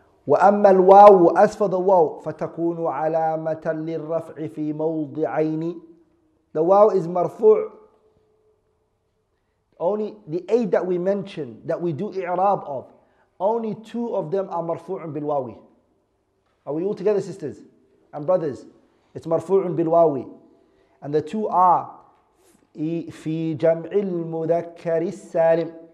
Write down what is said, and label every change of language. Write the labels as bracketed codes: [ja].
[ar] وأما الواو [en] as for the waw [ar] فتكون علامة للرفع في موضعين. [en] The waw is مرفوع. Only the eight that we mentioned that we do i'rab of, only two of them are [ar] مرفوع بالواو. [en] Are we all together, sisters and brothers? It's [ar] مرفوع بالواو. [en] And the two are [ar] في جمع المذكر السالم.